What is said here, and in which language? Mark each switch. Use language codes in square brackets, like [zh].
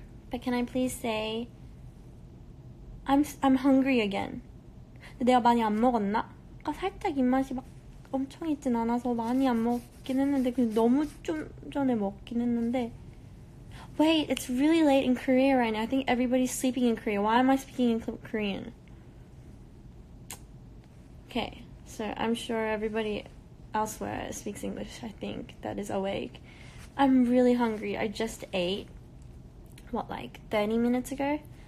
[en] But can I please say I'm hungry again. [ko] 내가 많이 안 먹었나? 아까 살짝 입맛이 막 엄청 있진 않아서 많이 안 먹긴 했는데 그냥 너무 좀 전에 먹긴 했는데. [en] Wait, it's really late in Korea right now. I think everybody's sleeping in Korea. Why am I speaking in Korean? Okay, so I'm sure everybody elsewhere speaks English, I think, that is awake. I'm really hungry. I just ate, what, like 30 minutes ago?